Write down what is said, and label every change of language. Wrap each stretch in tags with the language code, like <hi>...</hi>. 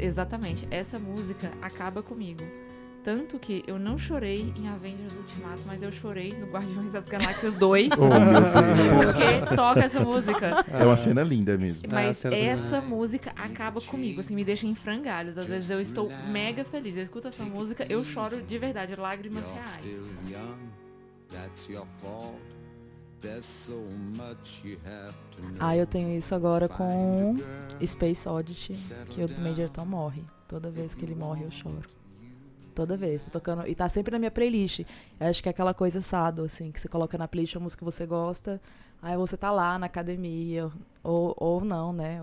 <pt>Exatamente, essa música acaba comigo. Tanto que eu não chorei em Avengers Ultimato, mas eu chorei no Guardiões das Galáxias 2. Porque toca essa música. É uma cena linda mesmo. Mas essa música acaba comigo, assim, me deixa em frangalhos. Às vezes eu estou mega feliz, eu escuto essa música, eu choro de verdade, lágrimas reais.</pt> <en>That's your fault. There's so much you have to know.</en> <pt>Ah, eu tenho isso agora com Space Oddity, que o Major Tom morre. Toda vez que ele morre, eu choro. Toda vez, tô tocando. E tá sempre na minha playlist. Eu acho que é aquela coisa sado, assim, que você coloca na playlist uma música que você gosta. Aí você tá lá na academia. Ou não, né?</pt>